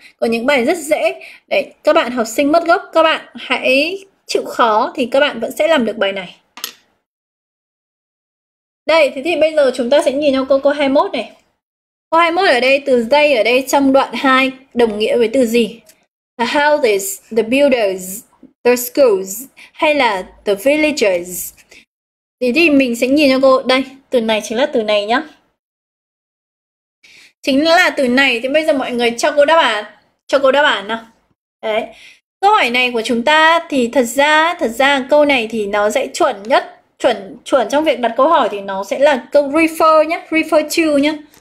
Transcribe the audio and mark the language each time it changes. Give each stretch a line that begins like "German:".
Vietnamese: Có những bài rất dễ. Đấy, các bạn học sinh mất gốc, các bạn hãy chịu khó thì các bạn vẫn sẽ làm được bài này. Đây, thế thì bây giờ chúng ta sẽ nhìn nhau câu 21 này. Câu 21 ở đây, từ they ở đây trong đoạn 2 đồng nghĩa với từ gì?
English: The houses, the builders, the schools hay là the villagers?
Vietnamese: Thế thì mình sẽ nhìn cho cô. Đây, từ này chính là từ này nhá. Chính là từ này. Thì bây giờ mọi người cho cô đáp án. Cho cô đáp án nào. Đấy. Câu hỏi này của chúng ta thì thật ra câu này thì nó sẽ chuẩn nhất. Chuẩn chuẩn trong việc đặt câu hỏi thì nó sẽ là câu refer nhé. Refer to nhé.